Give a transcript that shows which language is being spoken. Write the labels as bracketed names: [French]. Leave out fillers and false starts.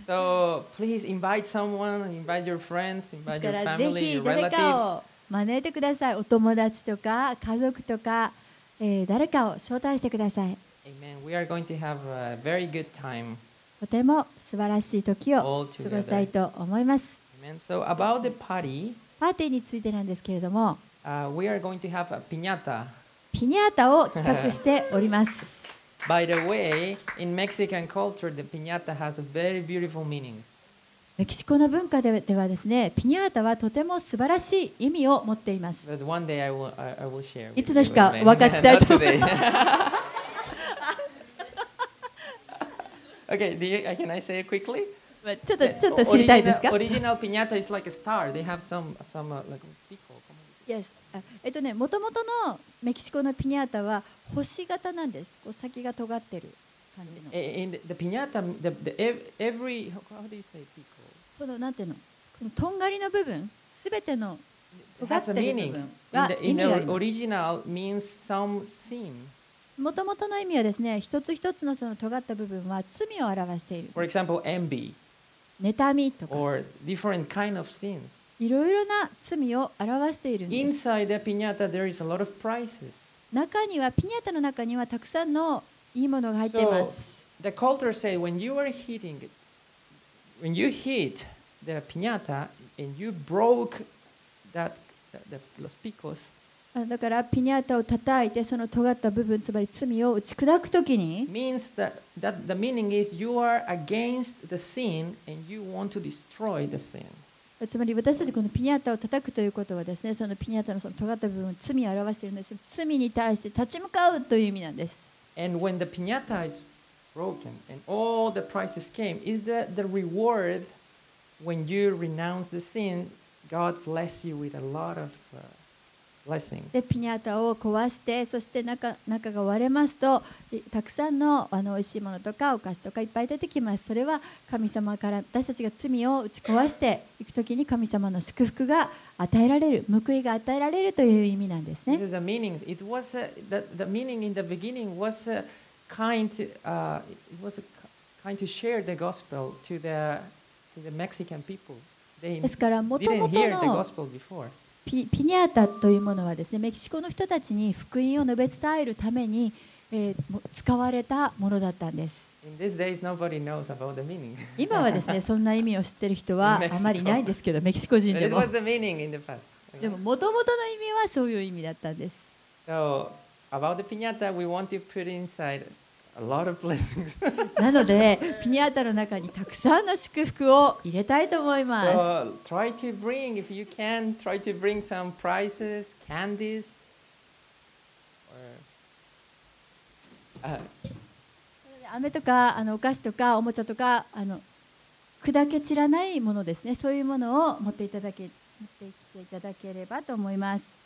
[English] So please invite someone, invite your friends, invite your family, your relatives. [Japanese] ですから、ぜひ誰かを招いてください。お友達とか家族とか、誰かを招待してください。 [English] Amen. We are going to have a very good time. [Japanese] とても素晴らしい時を過ごしたいと思います。 [English] And so about the party, [Japanese] パーティーについてなんですけれども、 [English] we are going to have a piñata. [Japanese] ピニャータを企画しております。 [English] By the way, in Mexican culture, the piñata has a very beautiful meaning. [Japanese] メキシコの文化ではですね、ピニャータはとても素晴らしい意味を持っています。 [English] But one day I will share with you. [Japanese] いつの日か分かちたいと思います。 [English] Okay, can I say it quickly? But [Japanese] ちょっと知りたいですか？ [English] Original piñata is like a star. They have some like pico. Yes. [Japanese] もともとのメキシコのピニャータは星型なんです。こう先が尖ってる感じの。 And the piñata, every how do you say pico? このなんていうの？このとんがりの部分、すべての尖ってる部分は意味があります。 [English] In the original means some sin. [Japanese] もともとの意味はですね、一つ一つのその尖った部分は罪を表している。 [English] For example, envy. [Japanese] 妬みとか。 [English] Or different kind of sins. [Japanese] いろいろな罪を表しているんです。 [English] Inside the piñata, there is a lot of prizes. [Japanese] 中には、ピニャータの中にはたくさんのいいものが入っています。 [English] So, the culture say when you are hitting, when you hit the piñata and you broke that, [Spanish] los picos, [Japanese] だからピニャータを叩いてその尖った部分つまり罪を打ち砕くときに [English] means that the meaning is you are against the sin and you want to destroy the sin. [Japanese] つまり私たちこのピニャータを叩くということはですねそのピニャータのその尖った部分を罪を表しているんです罪に対して立ち向かうという意味なんです [English] and when the piñata is broken and all the prizes came is that the reward when you renounce the sin God bless you with a lot of blessings. [Japanese] でピニャータを壊してそして 中が割れますとたくさん あの美味しいものとかお菓子とかいっぱい出てきます。それは神様から私たちが罪を打ち壊していくときに神様の祝福が与えられる報いが与えられるという意味なんですね。 [English] This is the meaning. It was the meaning in the beginning was kind to, it was kind to share the gospel to the, to the Mexican people. They didn't hear the gospel before. [Japanese] ピニャータというものはですね、メキシコの人たちに福音を述べ伝えるために、使われたものだったんです。 [English] In this days, nobody knows about the meaning. [Japanese] 今はですね、そんな意味を知ってる人はあまりいないんですけど、メキシコ人でも。 [English] But it was the meaning in the past. [Japanese] でも元々の意味はそういう意味だったんです。 [English] So, about the piñata, we want to put inside a lot of blessings. [Japanese] なのでピニャータの中にたくさんの祝福を入れたいと思います。 [English] So try to bring, if you can, try to bring some prizes, candies, or, [Japanese] 飴とかあのお菓子とかおもちゃとかあの砕け散らないものですね。そういうものを持っていただけ持ってきていただければと思います。